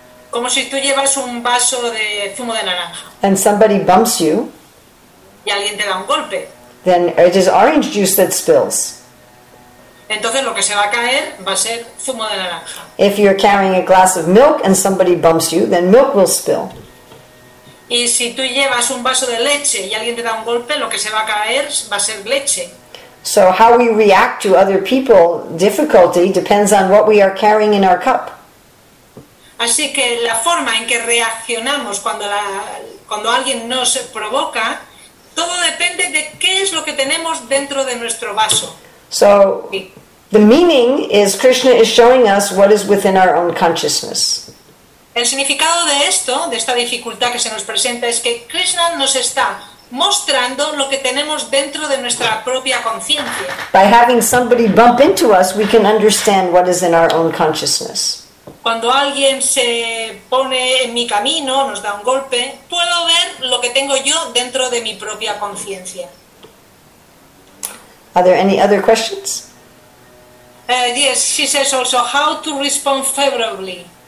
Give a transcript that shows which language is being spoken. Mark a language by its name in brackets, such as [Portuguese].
[Spanish] Como si tú llevas un vaso de zumo de naranja. [English] And somebody bumps you. [Spanish] Y alguien te da un golpe. [English] Then it is orange juice that spills. [Spanish] Entonces lo que se va a caer va a ser zumo de naranja. [English] If you're carrying a glass of milk and somebody bumps you, then milk will spill. [Spanish] Y si tú llevas un vaso de leche y alguien te da un golpe, lo que se va a caer va a ser leche. [English] So how we react to other people's difficulty depends on what we are carrying in our cup. [Spanish] Así que la forma en que reaccionamos cuando alguien nos provoca, todo depende de qué es lo que tenemos dentro de nuestro vaso. [English] So, the meaning is Krishna is showing us what is within our own consciousness. [Spanish] El significado de esto, de esta dificultad que se nos presenta, es que Krishna nos está mostrando lo que tenemos dentro de nuestra propia conciencia. [English] By having somebody bump into us, we can understand what is in our own consciousness. [Spanish] Cuando alguien se pone en mi camino, nos da un golpe, puedo ver lo que tengo yo dentro de mi propia conciencia. [English] Are there any other questions? Yes, she says also, how to respond favorably.